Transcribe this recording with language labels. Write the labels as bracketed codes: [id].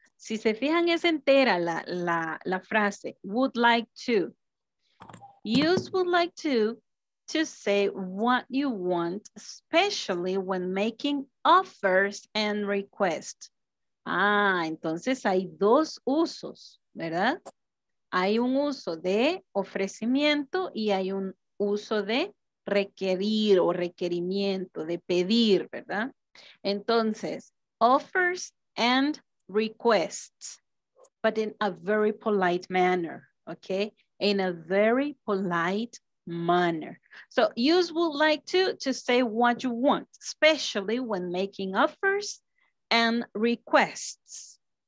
[es] Si se fijan, es entera la frase, [en] would like to. Use would like to say what you want, especially when making offers and requests. [es] Ah, entonces hay dos usos, ¿verdad? Hay un uso de ofrecimiento y hay un uso de requerir o requerimiento, de pedir, ¿verdad? Entonces, [en] offers and requests, but in a very polite manner, okay? In a very polite manner. So use would like to say what you want, especially when making offers and requests.